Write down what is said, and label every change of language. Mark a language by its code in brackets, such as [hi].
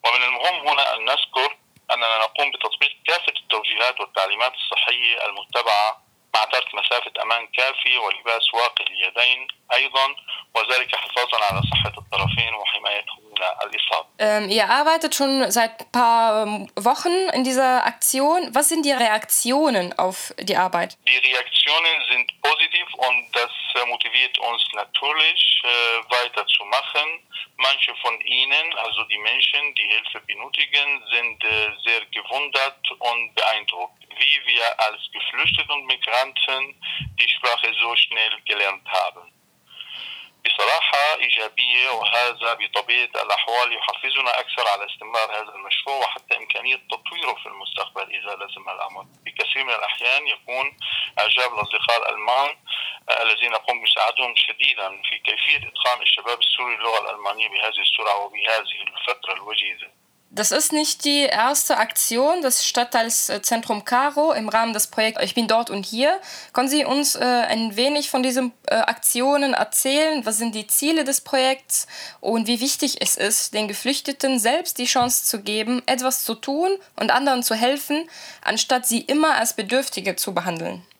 [ar] ومن المهم هنا أن نذكر أننا نقوم بتطبيق كافة التوجيهات والتعليمات الصحية المتبعة مع ترك مسافة أمان كافي ولباس واقي اليدين أيضا، وذلك حفاظا على صحة الطرفين وحمايتهم. [de] Ihr arbeitet schon seit ein paar Wochen in dieser Aktion. Was sind die Reaktionen auf die Arbeit? Die Reaktionen sind positiv und das motiviert uns natürlich weiterzumachen. Manche von ihnen, also die Menschen, die Hilfe benötigen, sind sehr gewundert und beeindruckt, wie wir als Geflüchtete und Migranten die Sprache so schnell gelernt haben. [ar] بصراحة إيجابية، وهذا بطبيعة الأحوال يحفزنا أكثر على استمرار هذا المشروع وحتى إمكانية تطويره في المستقبل إذا لزم الأمر. بكثير من الأحيان يكون إعجاب الأصدقاء الألمان الذين نقوم بمساعدتهم شديدا في كيفية إتقان الشباب السوري اللغة الألمانية بهذه السرعة وبهذه الفترة الوجيزة. [de] Das ist nicht die erste Aktion des Stadtteils Zentrum Karo im Rahmen des Projekts Ich bin dort und hier. Können Sie uns ein wenig von diesen Aktionen erzählen? Was sind die Ziele des Projekts und wie wichtig es ist, den Geflüchteten selbst die Chance zu geben, etwas zu tun und anderen zu helfen, anstatt sie immer als Bedürftige zu behandeln?